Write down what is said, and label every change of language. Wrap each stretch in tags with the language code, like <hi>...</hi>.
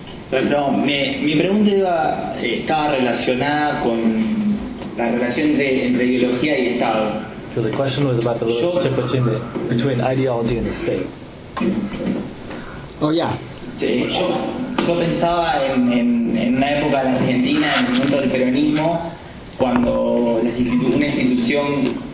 <es>Perdón, mi pregunta estaba relacionada con la relación entre ideología y Estado.</es> <en>So the question was about the relationship between ideology and the state. Oh, yeah.</en> <es>Yo pensaba en una época en Argentina, en el momento del peronismo, cuando una institución</es>